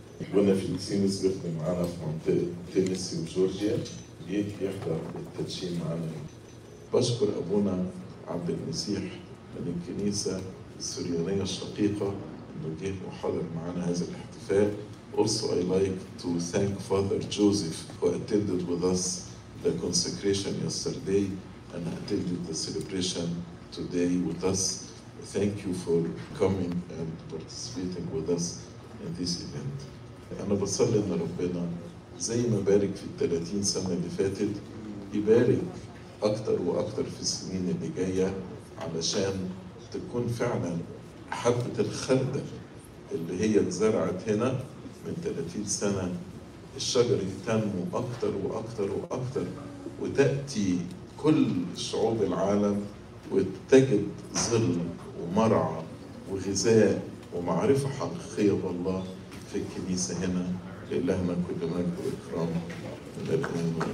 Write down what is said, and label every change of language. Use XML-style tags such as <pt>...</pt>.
<ar>أبونا فليكسينوس بيخدم معانا في منطقة تينيسي وجورجيا، جه يحضر التدشين معانا. بشكر أبونا عبد المسيح من الكنيسة السريانية الشقيقة جه وحضر معنا هذا الاحتفال.</ar> <en>Also, I like to thank Father Joseph who attended with us the consecration yesterday and attended the celebration today with us. Thank you for coming and participating with us in this event.</en> <ar>أنا بصلي إن ربنا زي ما بارك في 30 سنة اللي فاتت يبارك أكتر وأكتر في السنين اللي جاية علشان تكون فعلا حبة الخردل اللي هي اتزرعت هنا من 30 سنة الشجر يتنمو أكتر وأكتر وأكتر وتأتي كل شعوب العالم وتجد ظل ومرعى وغذاء ومعرفة حقيقية بالله في الكنيسة هنا. لله ما كل مجد وإكرام من الأمم.</ar>